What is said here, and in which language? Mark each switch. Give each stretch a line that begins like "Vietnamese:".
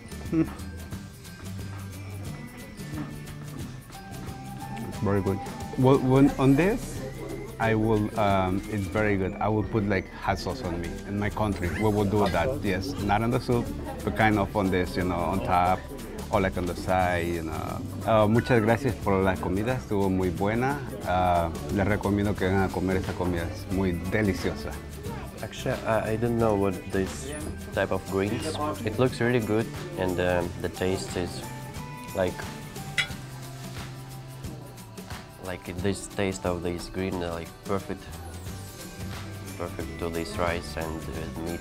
English: It's very good. When on this? I will, it's very good. I will put like hot sauce on me in my country. We will do that, yes. Not on the soup, but kind of on this, you know, on top or like on the side, you know.
Spanish: Muchas gracias por la comida, estuvo muy buena. Les recomiendo que vengan a comer esta comida, es muy deliciosa.
English: Actually, I don't know what this type of greens. It looks really good and the taste is like. Like this taste of this green, like perfect to this rice and meat.